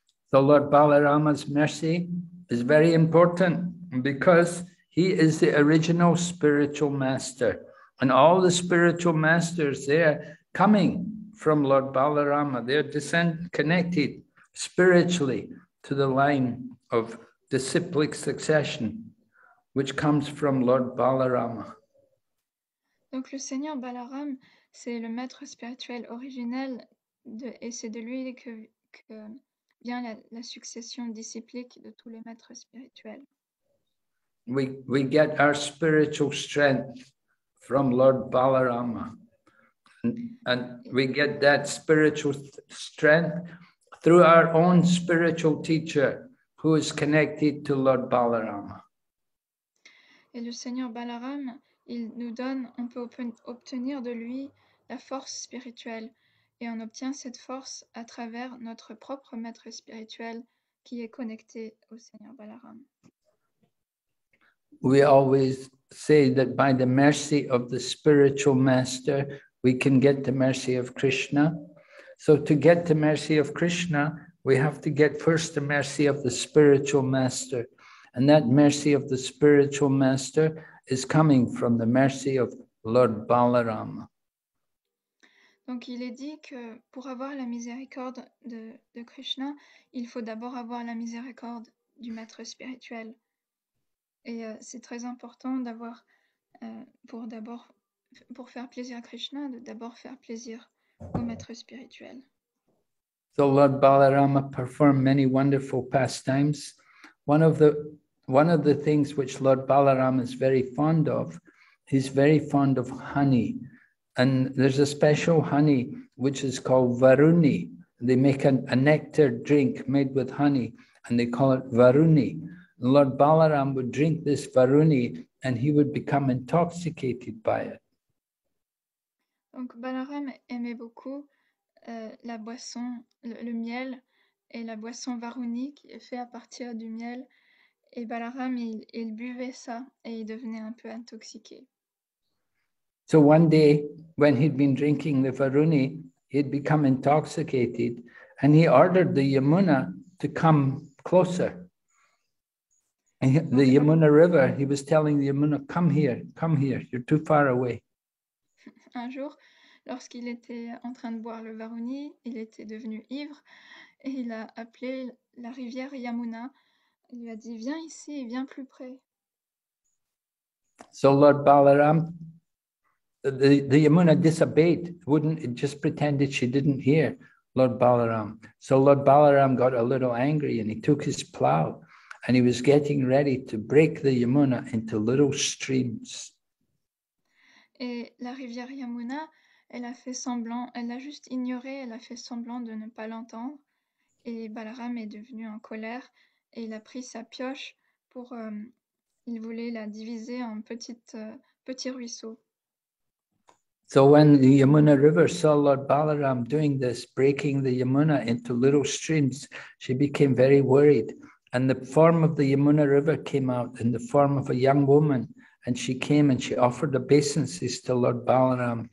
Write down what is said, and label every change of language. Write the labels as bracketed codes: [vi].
[en] So Lord Balarama's mercy is very important because he is the original spiritual master. And all the spiritual masters, they are coming from Lord Balarama. They are connected spiritually to the line of disciplic succession, which comes from Lord Balarama. [fr] Donc le Seigneur Balaram, c'est le maître spirituel originel, et c'est de lui que vient la succession disciplique de tous les maîtres spirituels. [en] We get our spiritual strength from Lord Balarama. And we get that spiritual strength through our own spiritual teacher who is connected to Lord Balarama. [fr] Et le Seigneur Balaram, il nous donne, on peut obtenir de lui la force spirituelle. Et on obtient cette force à travers notre propre maître spirituel qui est connecté au Seigneur Balaram. [en] We always say that by the mercy of the spiritual master, we can get the mercy of Krishna. So to get the mercy of Krishna, we have to get first the mercy of the spiritual master. And that mercy of the spiritual master is coming from the mercy of Lord Balaram. [fr] Donc il est dit que pour avoir la miséricorde de Krishna, il faut d'abord avoir la miséricorde du maître spirituel. Et c'est très important d'avoir, pour faire plaisir à Krishna, de d'abord faire plaisir au maître spirituel. [en] So Lord Balarama performed many wonderful pastimes. One of the things which Lord Balarama is very fond of, he's very fond of honey. And there's a special honey which is called Varuni. They make a nectar drink made with honey and they call it Varuni. Lord Balaram would drink this Varuni and he would become intoxicated by it. [fr] Donc Balaram aimait beaucoup la boisson, le miel et la boisson Varuni qui est faite à partir du miel. Et Balaram, il buvait ça et il devenait un peu intoxiqué. [en] So one day, when he'd been drinking the Varuni, he'd become intoxicated and he ordered the Yamuna to come closer. And the Yamuna River, he was telling the Yamuna, come here, you're too far away. [fr] Un jour, lorsqu'il était en train de boire le Varuni, il était devenu ivre et il a appelé la rivière Yamuna. Il lui a dit, viens ici, viens plus près. [en] So Lord Balaram, the Yamuna disobeyed, just pretended she didn't hear Lord Balaram. So Lord Balaram got a little angry and he took his plow and he was getting ready to break the Yamuna into little streams. [fr] Et la rivière Yamuna, elle a juste ignoré, elle a fait semblant de ne pas l'entendre. Et Balaram est devenu en colère et il a pris sa pioche pour, il voulait la diviser en petits ruisseaux. [en] So when the Yamuna River saw Lord Balaram doing this, breaking the Yamuna into little streams, she became very worried. And the form of the Yamuna River came out in the form of a young woman. And she came and she offered obeisances to Lord Balaram.